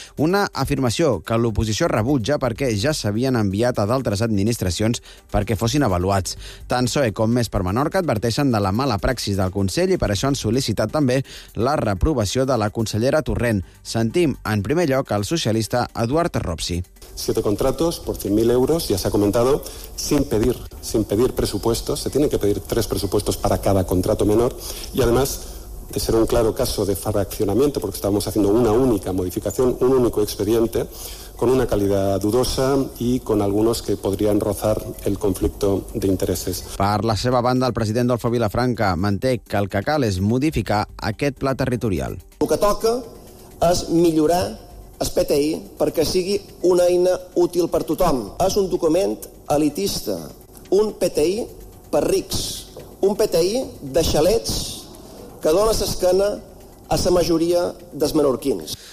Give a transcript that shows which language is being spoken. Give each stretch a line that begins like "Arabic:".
Catalan: Una afirmació que l'oposició rebutja perquè ja s'havien enviat a d'altres administracions perquè fossin avaluats. Tant PSOE com Més per Menorca adverteixen de la mala praxis del Consell i per això han sol·licitat també la reprovació de la consellera Torrent. Sentim en primer lloc el socialista Eduard Ropsi.
Spanish: 7 contratos por 100.000 euros, ya se ha comentado, sin pedir presupuestos. Se tienen que pedir 3 presupuestos para cada contrato menor y además de ser un claro caso de fraccionamiento, porque estábamos haciendo una única modificación, un único expediente, con una calidad dudosa y con algunos que podrían rozar el conflicto de intereses.
Catalan: Per la seva banda, el president Adolfo Vilafranca manté que el que cal és modificar aquest pla territorial. El que toca és millorar el PTI perquè sigui una eina útil per tothom. És un document elitista, un PTI per rics, un PTI de xalets que dona l'esquena a la majoria dels menorquins.